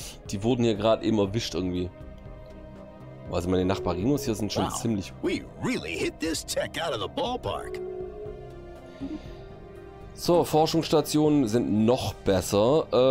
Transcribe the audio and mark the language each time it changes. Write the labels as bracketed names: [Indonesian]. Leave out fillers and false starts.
[German] Die wurden hier gerade eben erwischt irgendwie. Also meine Nachbarinos hier sind schon ziemlich... [English] We really hit this tech out of the ballpark. [German] So, Forschungsstationen sind noch besser.